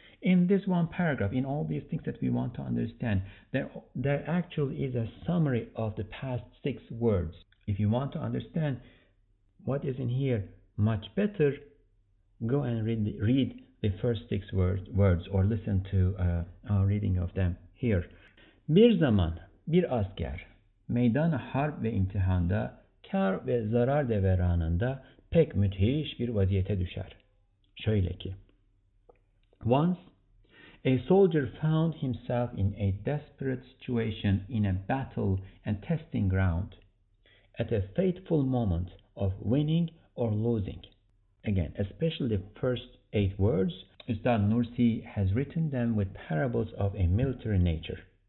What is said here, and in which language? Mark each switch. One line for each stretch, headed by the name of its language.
English: In this one paragraph, in all these things that we want to understand, there actually is a summary of the past six words. If you want to understand what is in here much better, go and read the first six words or listen to our reading of them here.
Turkish: Bir zaman bir asker meydana harp ve imtihanda kar ve zarar deveranında pek müthiş bir vaziyete düşer. Şöyle ki,
English: once a soldier found himself in a desperate situation in a battle and testing ground at a fateful moment of winning or losing. Again, especially the first eight words, Ustad Nursi has written them with parables of a military nature.